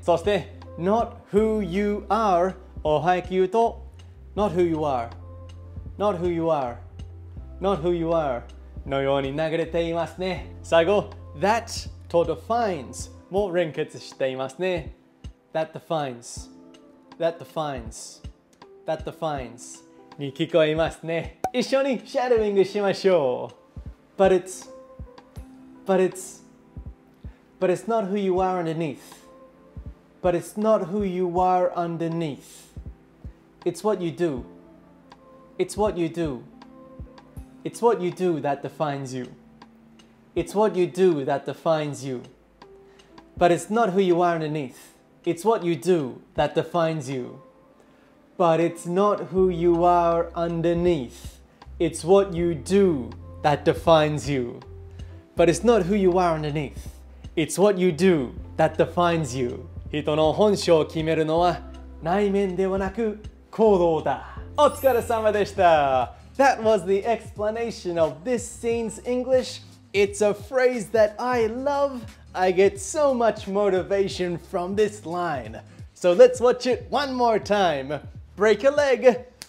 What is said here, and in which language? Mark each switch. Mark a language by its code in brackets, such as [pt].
[ja] そして、 [en] not who you are [ja] を早く言うと、 [en] not who you are, not who you are, not who you are. [ja] のように流れていますね。最後、That と defines も連結していますね。 [en] That defines, that defines, that defines [ja] に聞こえますね。一緒にシャドウイングしましょう。 [en] But it's, but it's, but it's not who you are underneath. But it's not who you are underneath. It's what you do. It's what you do. It's what you do that defines you. It's what you do that defines you. But it's not who you are underneath. It's what you do that defines you. But it's not who you are underneath. It's what you do that defines you. But it's not who you are underneath. It's what you do that defines you. [ja] 人の本性を決めるのは内面ではなく行動だ。お疲れ様でした。 [en] That was the explanation of this scene's English. It's a phrase that I love. I get so much motivation from this line. So let's watch it one more time. Break a leg.